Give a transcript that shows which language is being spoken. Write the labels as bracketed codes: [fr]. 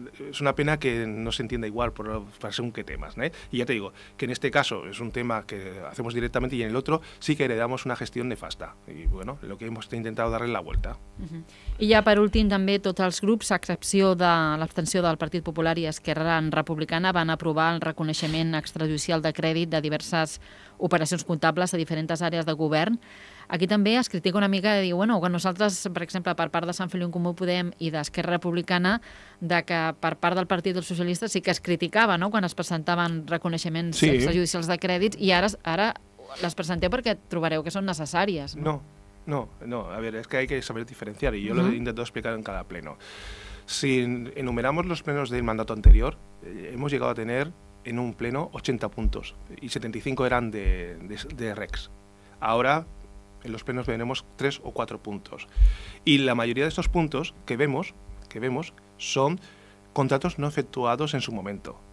[es] es una pena que no se entienda igual por según qué temas, ¿no? Y ya te digo, que en este caso es un tema que hacemos directamente y en el otro sí que heredamos una gestión nefasta. Y bueno, lo que hemos intentado darle la vuelta. [ca] Uh-huh. I ja per últim també tots els grups, a excepció de l'abstenció del Partit Popular i Esquerra Republicana, van aprovar el reconeixement extrajudicial de crèdit de diverses operacions comptables a diferents àrees de govern. Aquí també es critica una mica de dir, bueno, que nosaltres, per exemple, per part de Sant Feliu en Comú Podem i d'Esquerra Republicana, de que per part del Partit dels Socialistes sí que es criticava, no?, quan es presentaven reconeixements sí. extrajudicials de crèdits, i ara les presenteu perquè trobareu que són necessàries. No, no, no, no. A veure, és que [es] hay que saber diferenciar, [ca] i jo uh-huh. l'intento explicar [es] en cada pleno. Si enumeramos los plenos del mandato anterior, hemos llegado a tener en un pleno 80 puntos, y 75 eran de Rex. Ahora, en los plenos veremos 3 o 4 puntos. Y la mayoría de estos puntos que vemos, son contratos no efectuados en su momento.